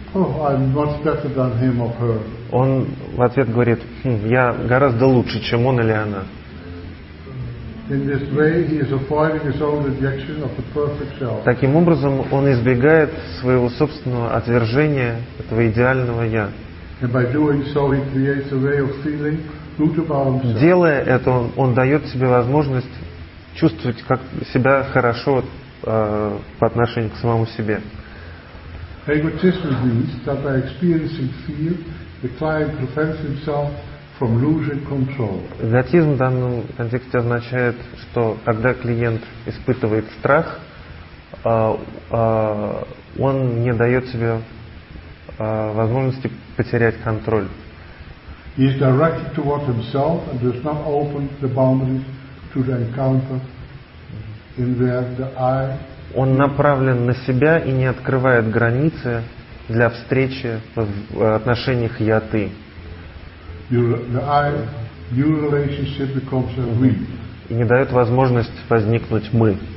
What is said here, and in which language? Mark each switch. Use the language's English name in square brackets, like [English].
[English] I'm much better than him or her. [Russian] Он в ответ говорит: я гораздо лучше, чем он или она. [English] In this way, he is avoiding his own rejection of the perfect self. [Russian] Таким образом, он избегает своего собственного отвержения этого идеального я. [English] And by doing so, he creates a way of feeling good about himself. [Russian] Делая это, он дает себе возможность чувствовать как себя хорошо по отношению к самому себе. [English] Egotism means that by experiencing fear, the client prevents himself from losing control. [Russian] Эготизм в данном контексте означает, что когда клиент испытывает страх, он не дает себе возможности потерять контроль. [English] He is directed toward himself and does not open the boundaries to the encounter in where the I. [Russian] Он направлен на себя и не открывает границы для встречи в отношениях я-ты. И не дает возможность возникнуть мы.